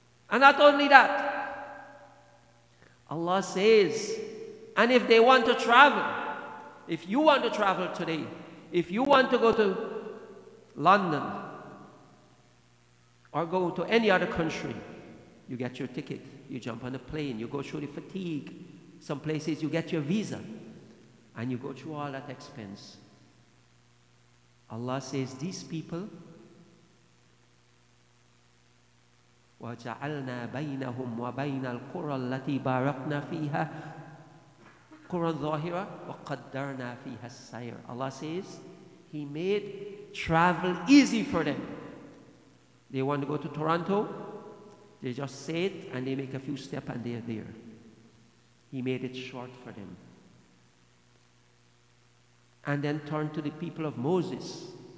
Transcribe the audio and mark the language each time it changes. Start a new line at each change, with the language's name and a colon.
English: And not only that, Allah says, and if they want to travel, if you want to travel today, if you want to go to London or go to any other country, you get your ticket, you jump on a plane, you go through the fatigue. Some places you get your visa and you go through all that expense. Allah says, these people,
Arabic: وَجَعَلْنَا بَيْنَهُمْ وَبَيْنَ الْقُرَى الَّتِي بَارَقْنَا فِيهَا قُرَى الظَّاهِرَ وَقَدَّرْنَا فِيهَا السَّيْرَ.
English: Allah says, He made travel easy for them. They want to go to Toronto, they just say it and they make a few steps and they are there. He made it short for them. And then turn to the people of Moses.